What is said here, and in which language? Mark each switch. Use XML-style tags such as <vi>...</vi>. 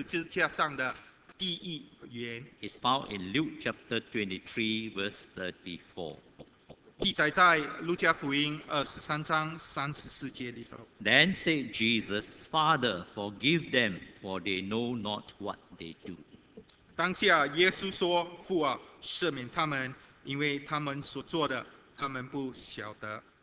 <zh>我们开始看耶稣在十字架上的第一言。</zh> <en>It's found in Luke chapter 23, verse 34.</en> <zh>记载在路加福音23章34节里头。</zh> <en>Then said Jesus, Father, forgive them, for they know not what they do.</en> <zh>当下耶稣说，父啊，赦免他们，因为他们所做的，他们不晓得。</zh>